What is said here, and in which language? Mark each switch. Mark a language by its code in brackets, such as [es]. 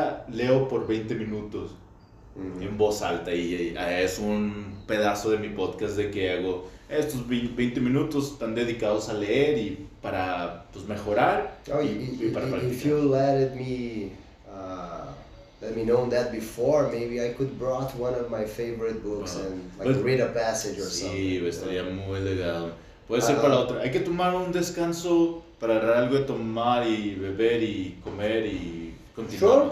[es] leo por 20 minutos en voz alta y es un pedazo de mi podcast de que hago estos 20 minutos están dedicados a leer y para pues mejorar y para practicar. [en] If you let me know that before, maybe I could brought one of my favorite books read a passage or [es] sí, [en] something. [es] Sí, estaría muy legal. Puede ser para otra. Hay que tomar un descanso para agarrar algo de tomar y beber y comer y continuar.